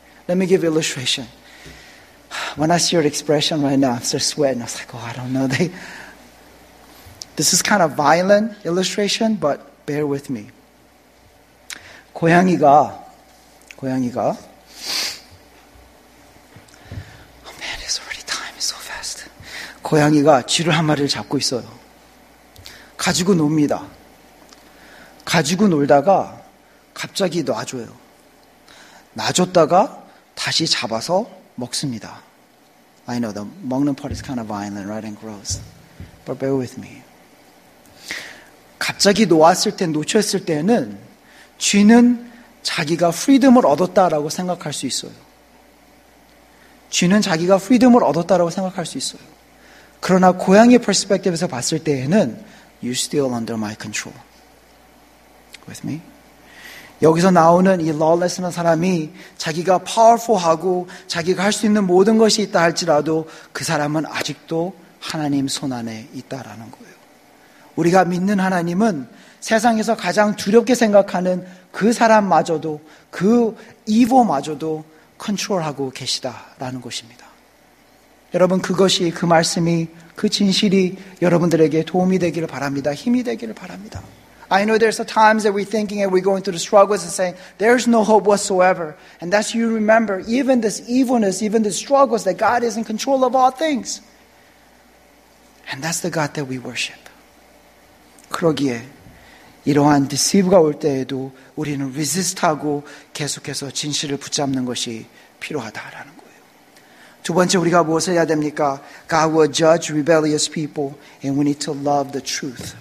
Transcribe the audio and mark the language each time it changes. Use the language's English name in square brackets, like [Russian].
[English] Let me give illustration. When I see your expression right now, I'm still sweating. I was like, oh, I don't know. This is kind of violent illustration, but bear with me. [Korean] 고양이가 [English] Oh man, it's already time. It's so fast. [Korean] 고양이가 쥐를 한 마리를 잡고 있어요. 가지고 놉니다. 가지고 놀다가 갑자기 놔줘요. 놔줬다가 다시 잡아서 먹습니다. [English] I know the 먹는 part is kind of violent, right, and gross. But bear with me. [Korean] 갑자기 놓았을 때, 놓쳤을 때는 쥐는 자기가 프리덤을 얻었다라고 생각할 수 있어요. 쥐는 자기가 프리덤을 얻었다라고 생각할 수 있어요. 그러나 고양이 perspective에서 봤을 때에는 [English] You're still under my control. With me? [Korean] 여기서 나오는 이 lawless는 사람이 자기가 powerful하고 자기가 할 수 있는 모든 것이 있다 할지라도 그 사람은 아직도 하나님 손 안에 있다라는 거예요. 우리가 믿는 하나님은 세상에서 가장 두렵게 생각하는 그 사람마저도 그 evil마저도 컨트롤하고 계시다라는 것입니다. 여러분 그것이 그 말씀이 그 진실이 여러분들에게 도움이 되기를 바랍니다. 힘이 되기를 바랍니다. [English] I know there's the times that we're thinking and we're going through the struggles and saying there's no hope whatsoever. And that's you remember even this evilness, even the struggles that God is in control of all things. And that's the God that we worship. [Korean] 그러기에 이러한 deceive가 올 때에도 우리는 resist하고 계속해서 진실을 붙잡는 것이 필요하다라는 거예요. 두 번째 우리가 무엇을 해야 됩니까? [English] God will judge rebellious people and we need to love the truth.